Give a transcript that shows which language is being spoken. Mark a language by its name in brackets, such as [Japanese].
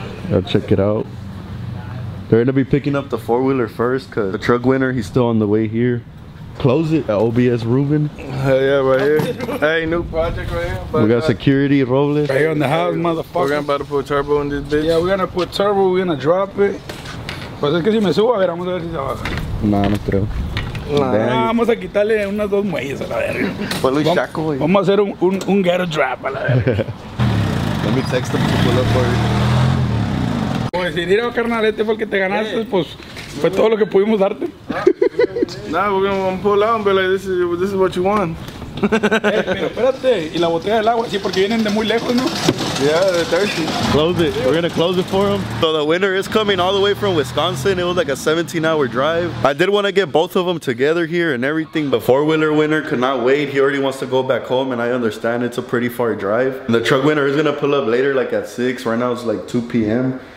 [English] I'll check it out. They're gonna be picking up the four-wheeler first because the truck winner, he's still on the way here. Close it, OBS Ruben. Hell yeah, right here. Hey, new project right here. We got security, Robles. Right here on the house, motherfucker. We're about to put turbo in this bitch. Yeah, we're gonna put turbo, we're gonna drop it. [Spanish] Pues es que si me subo, a ver, vamos a ver si se baja. Nah, no creo. Nah. Nah, vamos a quitarle unas dos muelles a la verga. Pues Luis Chaco, güey. Vamos a hacer un ghetto drop a la verga. [English] Let me text them to pull up for you. [Spanish] Pues si dieron carnal, este fue el que te ganaste, yeah. Pues fue todo lo que pudimos darte. [English] Nah, we're gonna pull out and be like, this is what you want. [Spanish] Pero espérate, y la botella del agua, sí, porque vienen de muy lejos, ¿no? [English] Yeah, they're thirsty. Close it. We're gonna close it for them. So the winner is coming all the way from Wisconsin. It was like a 17-hour drive. I did want to get both of them together here and everything. The four-wheeler winner could not wait. He already wants to go back home, and I understand it's a pretty far drive. And the truck winner is gonna pull up later, like at 6. Right now it's like 2 p.m.